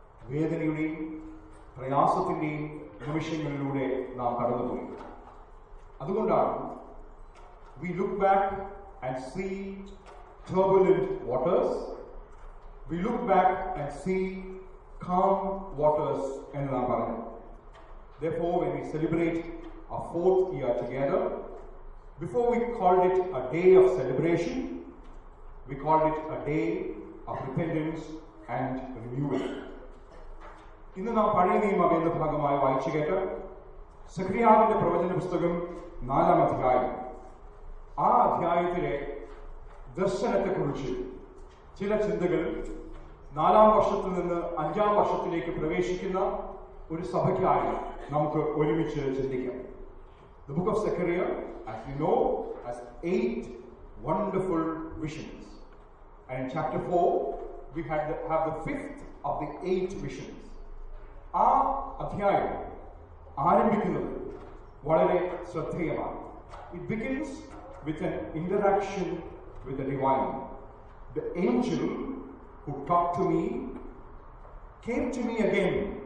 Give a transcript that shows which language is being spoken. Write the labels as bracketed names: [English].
[Malayalam] വേദനയുടെയും പ്രയാസത്തിന്റെയും നിമിഷങ്ങളിലൂടെ നാം കടന്നുപോയി. അതുകൊണ്ടാണ് [English] we look back and see turbulent waters, we look back and see calm waters [Malayalam] എന്ന് നാം പറഞ്ഞു. [English] Therefore, when we celebrate our fourth year together, before we called it a day of celebration, we called it a day of repentance and renewal. [Malayalam] ഇന്ന് നാം പഴയ നിയമ വേദ ഭാഗമായി വായിച്ചു കേട്ട സെക്രിയാറിന്റെ പ്രവചന പുസ്തകം 4-ാം അധ്യായം, ആ അധ്യായത്തിലെ ദർശനത്തെക്കുറിച്ച് ചില ചിന്തകൾ 4-ാം വർഷത്തിൽ നിന്ന് 5-ാം വർഷത്തിലേക്ക് പ്രവേശിക്കുന്ന ഒരു സഭയ്ക്കായി നമുക്ക് ഒരുമിച്ച് ചിന്തിക്കാം. [English] The book of Zechariah, as you know, has 8 wonderful visions. And in chapter 4, we have the 5th of the 8 visions. [Malayalam] ആ അധ്യായം ആരംഭിക്കുന്നത് വളരെ ശ്രദ്ധേയമാണ്. [English] It begins with an interaction with the divine. The angel who talk to me came to me again.